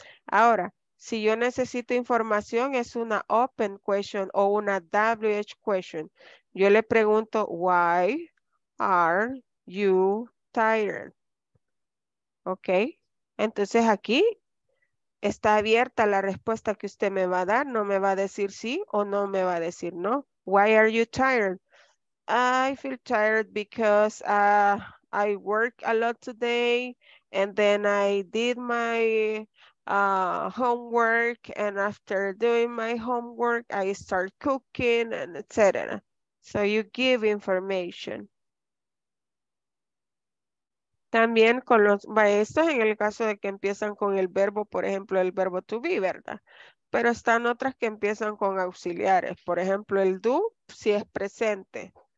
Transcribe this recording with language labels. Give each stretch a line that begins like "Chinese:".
Spanish: Ahora, si yo necesito información, es una open question o una WH question. Yo le pregunto,
English: why are you tired? Ok.
Spanish: Entonces aquí está abierta la respuesta que usted me va a dar. No me va a decir sí o no me va a decir no.
English: Why are you tired? I feel tired because I work a lot today and then I did my homework, and after doing my homework, I start cooking, and etc. So you give information.
Spanish: También con los maestros, en el caso de que empiezan con el verbo, por ejemplo, el verbo to be, ¿verdad? Pero están otras que empiezan con auxiliares. Por ejemplo, el do, si es presente.